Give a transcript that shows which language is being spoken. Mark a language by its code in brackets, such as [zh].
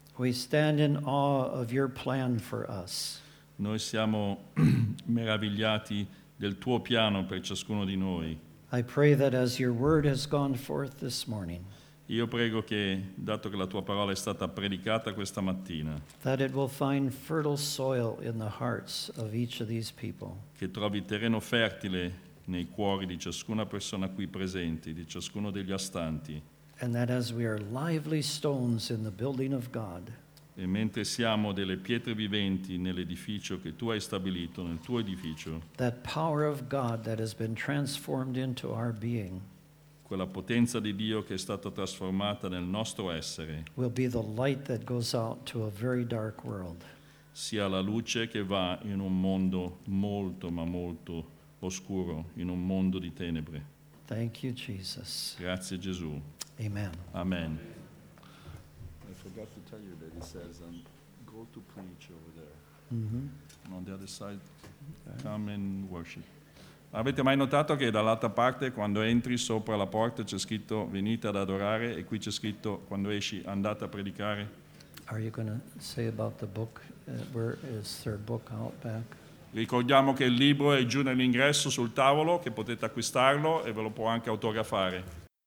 [en] We stand in awe of your plan for us. [it] Noi siamo meravigliati del tuo piano per ciascuno di noi. [en] I pray that as your word has gone forth this morning. [it] Io prego che, dato che la tua parola è stata predicata questa mattina, [en] that it will find fertile soil in the hearts of each of these people. [it] Che trovi terreno fertile nei cuori di ciascuna persona qui presente, di ciascuno degli astanti. [en] And that as we are lively stones in the building of God. [it] E mentre siamo delle pietre viventi nell'edificio che tu hai stabilito, nel tuo edificio, [en] that power of God that has been transformed into our being, [it] quella potenza di Dio che è stata trasformata nel nostro essere, [en] will be the light that goes out to a very dark world. [it] Sia la luce che va in un mondo molto, ma molto oscuro, in un mondo di tenebre. [en] Thank you, Jesus. [it] Grazie, Gesù. [en] Amen. [it] Amen. [en] I forgot to tell you that he says, go to preach over there. Mm-hmm. On the other side, come and worship. [it] Avete mai notato che dall'altra parte, quando entri sopra la porta, c'è scritto venite ad adorare, e qui c'è scritto quando esci andate a predicare? [en] Are you going to say about the book? Where is their book out back? [it] Ricordiamo che il libro è giù nell'ingresso sul tavolo, che potete acquistarlo e ve lo può anche autografare.